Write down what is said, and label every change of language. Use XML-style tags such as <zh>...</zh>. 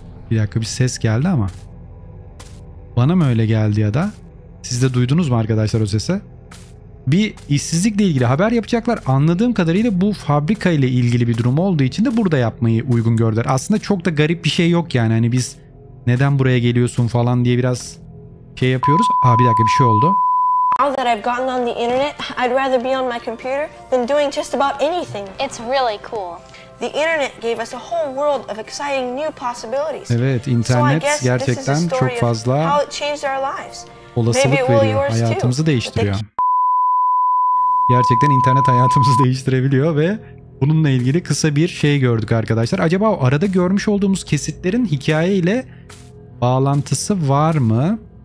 <tr>Bir dakika, bir ses geldi ama bana mı öyle geldi ya da siz de duydunuz mu arkadaşlar o sese? Bir işsizlikle ilgili haber yapacaklar. Anladığım kadarıyla bu fabrika ile ilgili bir durum olduğu için de burada yapmayı uygun gördüler. Aslında çok da garip bir şey yok yani. Hani biz neden buraya geliyorsun falan diye biraz şey yapıyoruz. Aa, bir dakika, bir şey oldu.</tr> <en>Now that I've gotten on the internet, I'd rather be on my computer than doing just about anything. It's really cool. The internet gave us a whole world of exciting new possibilities.</en> <tr>Evet, internet gerçekten çok fazla olasılık veriyor. Hayatımızı değiştiriyor. Gerçekten internet hayatımızı değiştirebiliyor ve bununla ilgili kısa bir şey gördük arkadaşlar. Acaba o arada görmüş olduğumuz kesitlerin hikayeyle bağlantısı var mı?</tr>